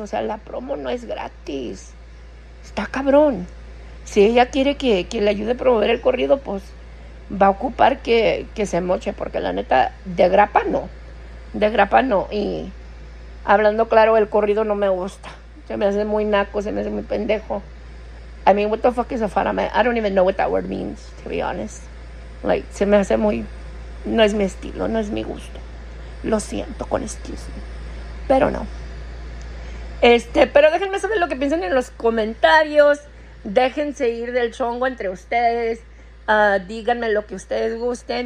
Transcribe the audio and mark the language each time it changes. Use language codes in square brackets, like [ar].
[es] O sea, la promo no es gratis. Está cabrón. Si ella quiere que le ayude a promover el corrido, pues va a ocupar que se moche, porque la neta, de grapa no, y hablando claro, el corrido no me gusta, se me hace muy naco, se me hace muy pendejo. [en] I mean, what the fuck is a farame? I don't even know what that word means, to be honest. [es] Like, se me hace muy, no es mi estilo, no es mi gusto, lo siento, con [en] excuse me, [es] pero no. Pero déjenme saber lo que piensan en los comentarios, déjense ir del chongo entre ustedes. Díganme lo que ustedes gusten, porque yo estaré respondiéndoles.